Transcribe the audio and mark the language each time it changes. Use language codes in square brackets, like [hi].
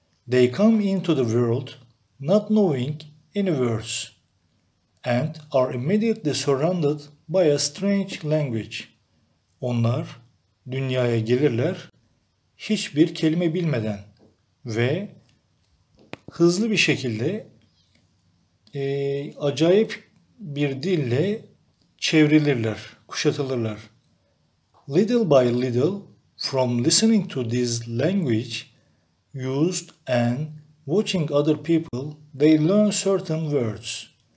[en] They come into the world not knowing any words and are immediately surrounded by a strange language. [tr] Onlar dünyaya gelirler hiçbir kelime bilmeden ve hızlı bir şekilde acayip bir dille çevrilirler, kuşatılırlar. [en] Little by little, from listening to this language used and watching other people, they learn certain words.